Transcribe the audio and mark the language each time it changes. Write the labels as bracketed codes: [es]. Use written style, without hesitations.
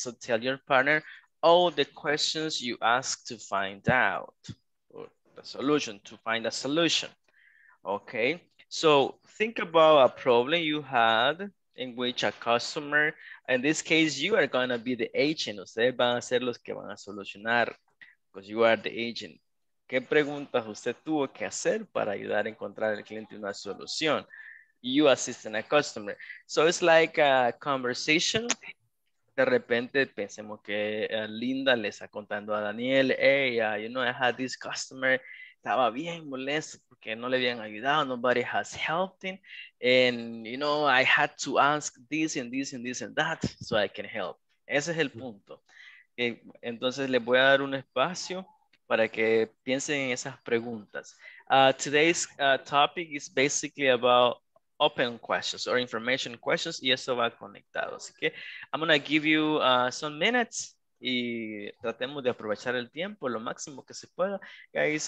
[en] So tell your partner all the questions you ask to find out, or the solution, to find a solution. Okay, so think about a problem you had in which a customer, in this case, you are gonna be the agent. [es] Ustedes van a ser los que van a solucionar, [en] because you are the agent. [es] ¿Qué preguntas usted tuvo que hacer para ayudar a encontrar al cliente una solución? [en] You assisting a customer. So it's like a conversation. [es] De repente pensemos que Linda le está contando a Daniel, [en] hey, you know, I had this customer, [es] estaba bien molesto porque no le habían ayudado. [en] Nobody has helped him. And, you know, I had to ask this and this and this and that so I can help. [es] Ese es el punto. Entonces, les voy a dar un espacio para que piensen en esas preguntas. [en] Today's topic is basically about open questions or information questions, [es] y eso va conectado. Así que [en] I'm going to give you some minutes [es] y tratemos de aprovechar el tiempo lo máximo que se pueda, guys.